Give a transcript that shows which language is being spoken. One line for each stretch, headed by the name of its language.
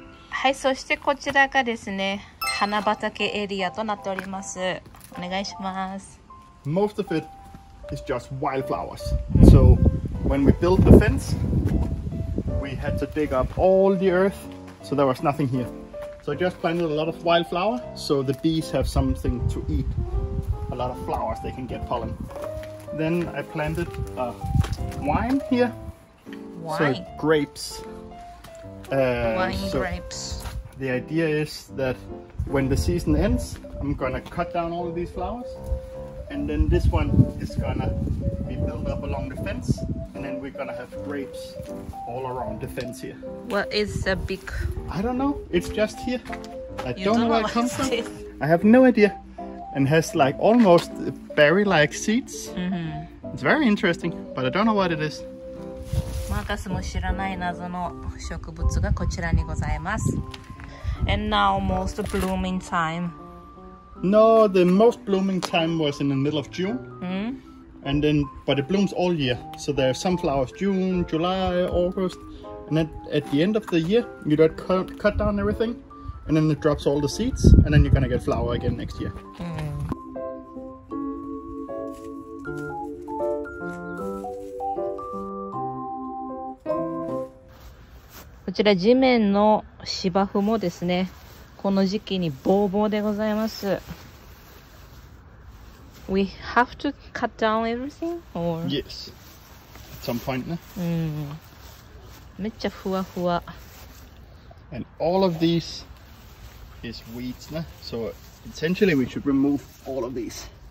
Japanese: はい、そしてこちらがですね、花畑エリアとなっております。お願いします。
English: Most of it. It's just wildflowers. So when we built the fence, we had to dig up all the earth, so there was nothing here. So I just planted a lot of wildflower, so the bees have something to eat. A lot of flowers, they can get pollen. Then I planted a wine here. Wine? So grapes. Wine grapes. The idea is that when the season ends, I'm going to cut down all of these flowers. And then this one is gonna be built up along the fence, and then we're gonna have grapes all around the fence here. What is the big? I don't know. It's just here. I don't know where it comes from. I have no idea. And has like almost berry-like seeds. Mm-hmm. It's very interesting, but I don't know what it is.
Japanese: Marcus も知らない謎の植物がこちらにございます。
English: And now most blooming time. No, the most blooming time was in the middle of June. And then, but it blooms all year. So there are some flowers June, July, August. And then at the end of the year, you don't cut down everything. And then it drops all the seeds. And then you're going to get flower again next year.
Japanese: こちら地面の芝生もですね、この時期にボーボーでございます。
English: We have to cut down everything, or yes, at some point, ね。
Japanese: うん。めっちゃふわふわ。
English: And all of these is weeds, ne? So essentially we should remove all of these.